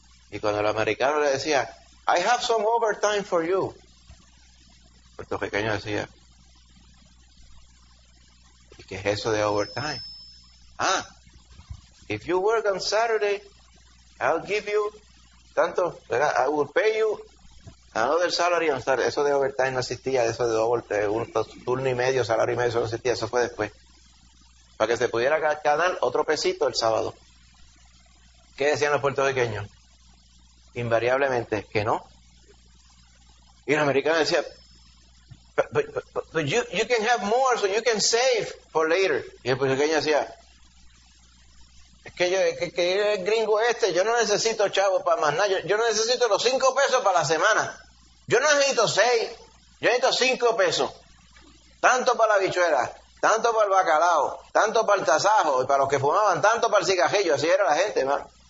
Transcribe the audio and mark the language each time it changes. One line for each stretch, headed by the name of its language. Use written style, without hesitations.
Spanish: Y cuando el americano le decía,
English: I have some overtime for you,
Spanish: el puertorriqueño decía, ¿y qué es eso de overtime? Ah,
English: if you work on Saturday, I'll give you
Spanish: tanto, ¿verdad?
English: I will pay you another salary.
Spanish: O sea, eso de overtime no existía, eso de doble, turno y medio, salario y medio, eso no existía, eso fue después. Para que se pudiera ganar otro pesito el sábado. ¿Qué decían los puertorriqueños? Invariablemente, que no. Y el americano decía,
English: but you can have more, so you can save for later.
Spanish: Y el puertorriqueño decía, es que el gringo este, yo no necesito chavo para más nada, yo no necesito los 5 pesos para la semana. Yo no necesito 6, yo necesito 5 pesos. Tanto para la bichuela, tanto para el bacalao, tanto para el tasajo, y para los que fumaban, tanto para el cigarrillo, así era la gente, hermano.